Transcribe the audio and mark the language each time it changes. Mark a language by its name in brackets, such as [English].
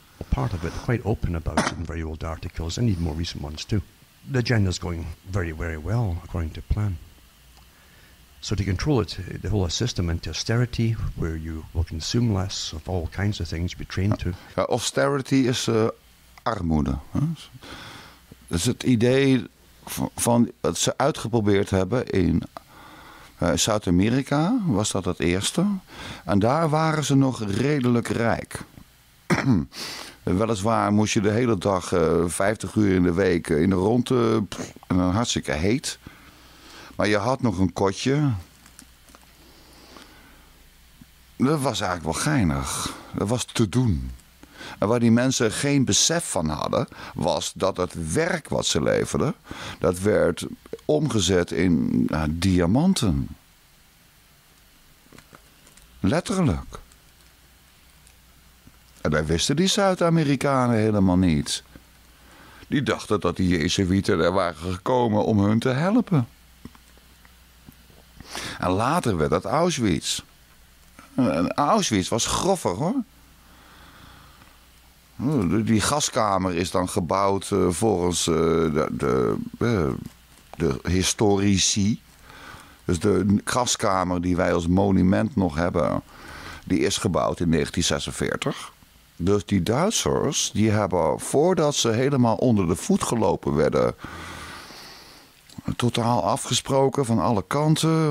[English] Part of it, quite open about it in very old articles and even more recent ones too. The agenda's going very, very well according to plan. So to control it, the whole system into austerity, where you will consume less of all kinds of things you'd be trained to. [Dutch] Austerity is armoede. Hè? Dus het idee van wat ze uitgeprobeerd hebben in Zuid-Amerika was dat het eerste. En daar waren ze nog redelijk rijk. Weliswaar moest je de hele dag 50 uur in de week in de rondte. En dan hartstikke heet. Maar je had nog een kotje. Dat was eigenlijk wel geinig. Dat was te doen. En waar die mensen geen besef van hadden, was dat het werk wat ze leverden, dat werd omgezet in diamanten. Letterlijk. En daar wisten die Zuid-Amerikanen helemaal niet. Die dachten dat die Jezuïeten er waren gekomen om hun te helpen. En later werd dat Auschwitz. En Auschwitz was grover hoor. Die gaskamer is dan gebouwd volgens de historici. Dus de gaskamer die wij als monument nog hebben, die is gebouwd in 1946. Dus die Duitsers, die hebben voordat ze helemaal onder de voet gelopen werden, totaal afgesproken van alle kanten.